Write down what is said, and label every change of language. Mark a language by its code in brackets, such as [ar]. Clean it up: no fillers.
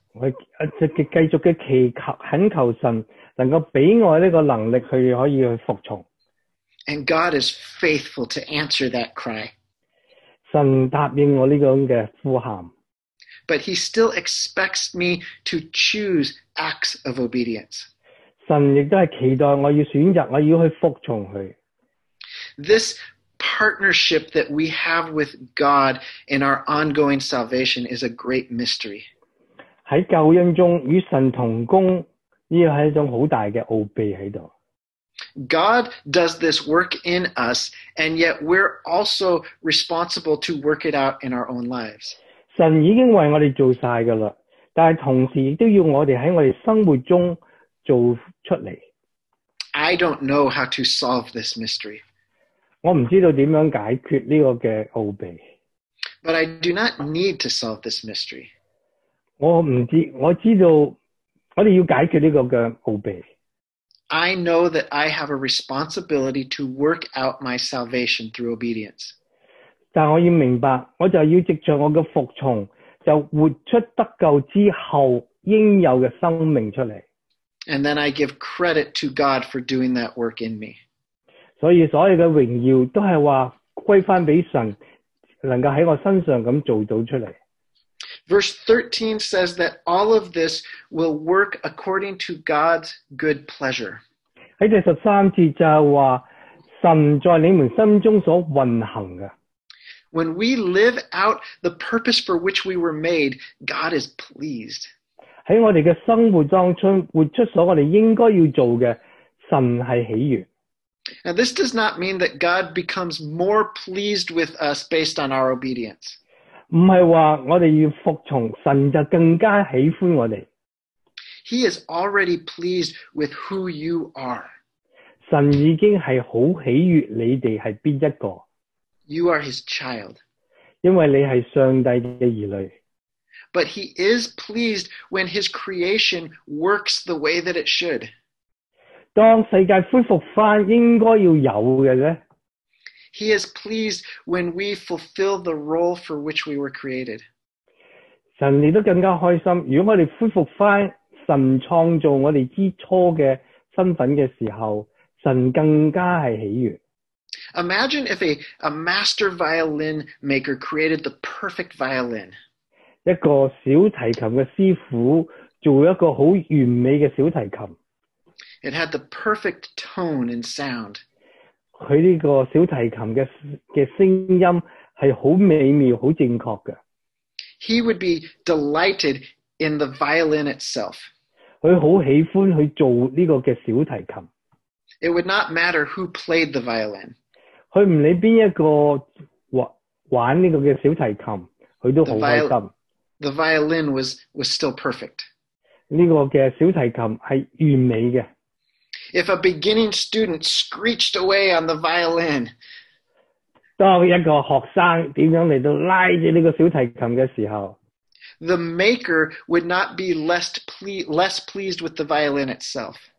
[zh] 我继续的祈求，恳求神能够给我这个能力去可以去服从。 [en] And God is faithful to answer that cry. [zh] 神答应我这样的呼喊。 [en] But He still expects me to choose acts of obedience. [zh] 神也是期待我要选择，我要去服从祂。 [en] This partnership that we have with God in our ongoing salvation is a great mystery. [zh] 在救恩中与神同工，这是一种很大的奥秘在这里。 [en] God does this work in us, and yet we're also responsible to work it out in our own lives. [zh] 神已经为我们做完了，但同时也要我们在我们生活中做出来。 [en] I don't know how to solve this mystery. [zh] 我不知道怎样解决这个奥秘。 [en] But I do not need to solve this mystery. [zh] 我知道我们要解决这个奥秘。 [en] I know that I have a responsibility to work out my salvation through obedience. [zh] 但我要明白，我就要藉着我的服从，就活出得救之后应有的生命出来。 [en] And then I give credit to God for doing that work in me. [zh] 所以所有的荣耀都是说归回给神，能够在我身上这样做到出来。 [en] Verse 13 says that all of this will work according to God's good pleasure. [zh] 在第十三节就是说，神在你们心中所运行的。 [en] When we live out the purpose for which we were made, God is pleased. [zh] 在我们的生活当中，活出所我们应该要做的，神是喜悦。 [en] Now, this does not mean that God becomes more pleased with us based on our obedience. [zh] 不是说我们要服从，神就更加喜欢我们。 [en] He is already pleased with who you are. [zh] 神已经是很喜悦你们是哪一个。 [en] You are His child. [zh] 因为你是上帝的儿女。 [en] But He is pleased when His creation works the way that it should. [zh] 当世界恢复回应该要有的呢？ [en] He is pleased when we fulfill the role for which we were created. [zh] 神也都更加开心，如果我们恢复回神创造我们之初的身份的时候，神更加是喜悦。 [en] Imagine if a master violin maker created the perfect violin. [zh] 一个小提琴的师傅做一个很完美的小提琴。 [en] It had the perfect tone and sound. [zh] 它这个小提琴 的声音是很美妙、很正确的。 [en] He would be delighted in the violin itself. [zh] 它很喜欢去做这个的小提琴。 [en] It would not matter who played the violin. [zh] 它不理哪一个玩这个的小提琴，它都很开心。 [en] The violin was still perfect. [zh] 这个的小提琴是完美的。 [en] if a beginning student screeched away on the violin. [zh] 当一个学生怎样来都拉着这个小提琴的时候, [en] the maker would not be less pleased with the violin itself.